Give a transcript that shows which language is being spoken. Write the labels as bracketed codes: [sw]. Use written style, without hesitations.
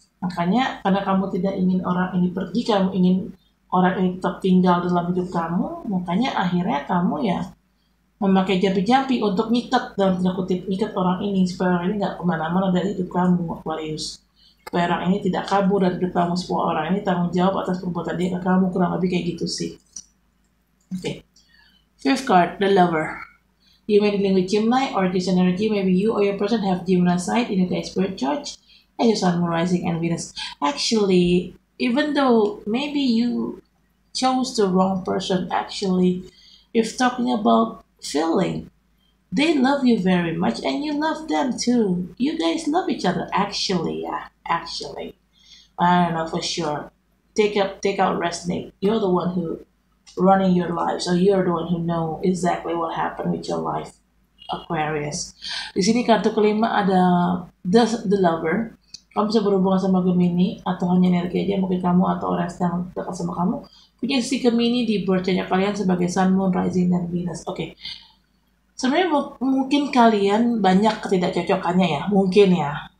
[id] Makanya, karena kamu tidak ingin orang ini pergi, kamu ingin orang ini tetap tinggal dalam hidup kamu, makanya akhirnya kamu ya, memakai jampi-jampi untuk ngikat, dalam tanda kutip, ngikat orang ini, supaya orang ini gak kemana-mana dari hidup kamu, Aquarius. Supaya orang ini tidak kabur dari hidup kamu, semua orang ini tanggung jawab atas perbuatan dia ke kamu, kurang lebih kayak gitu sih. [en] Oke. Okay. Fifth card, the lover. You may be dealing with Gemini or this energy. Maybe you or your person have Gemini side in the expert charge. And your sun, moon, rising, and Venus. Actually, even though maybe you chose the wrong person, actually, if talking about feeling, they love you very much and you love them too. You guys love each other, actually, yeah, actually. I don't know for sure. Take out resonate. You're the one who running your life, so you're the one who know exactly what happened with your life, Aquarius. [id] Di sini kartu kelima ada the lover. Kamu bisa berhubungan sama Gemini atau hanya energi aja, mungkin kamu atau orang yang dekat sama kamu punya si Gemini di birthday-nya kalian sebagai Sun, Moon, Rising, dan Venus. Oke, okay. Sebenarnya mungkin kalian banyak ketidakcocokannya ya, mungkin ya.